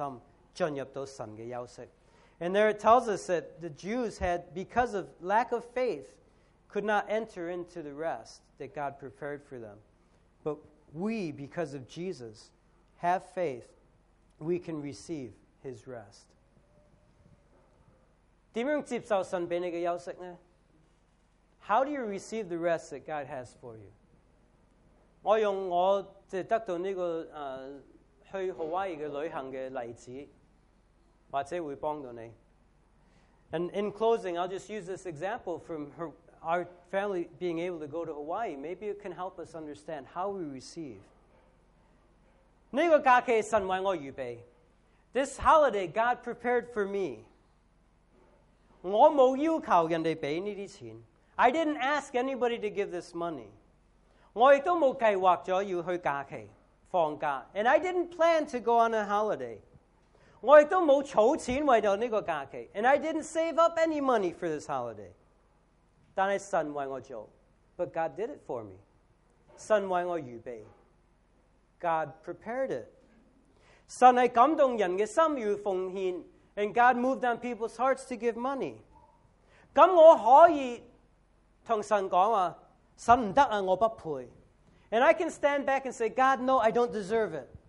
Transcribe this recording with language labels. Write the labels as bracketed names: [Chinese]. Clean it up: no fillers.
[Chinese] 在那里讲到犹太人因为没有信心入不到神的安息,但我们可以因为耶稣有信心进入到神的休息。 [English] And there it tells us that the Jews had, because of lack of faith, could not enter into the rest that God prepared for them. But we, because of Jesus, have faith, we can receive his rest. [Chinese] 怎样接受神给你的休息呢? [English] How do you receive the rest that God has for you? [Chinese] 我用我得到这个去夏威夷旅行的例子, 或者会帮到你。 [English] And in closing, I'll just use this example from our family being able to go to Hawaii. Maybe it can help us understand how we receive. [Chinese] 这个假期神为我预备, [English] this holiday God prepared for me. [Chinese] 我没有要求人家给这些钱, [English] I didn't ask anybody to give this money. [Chinese] 我也没有计划要去假期放假, [English] and I didn't plan to go on a holiday. [Chinese] 我也没有储钱为了这个假期, [English] and I didn't save up any money for this holiday. [Chinese] 但是神为我做, [English] but God did it for me. [Chinese] 神为我预备, [English] God prepared it. [Chinese] 神是感动人的心要奉献, [English] and God moved on people's hearts to give money. [Chinese] 那我可以 跟神说,神不行,我不配。 [English] And I can stand back and say, God, no, I don't deserve it.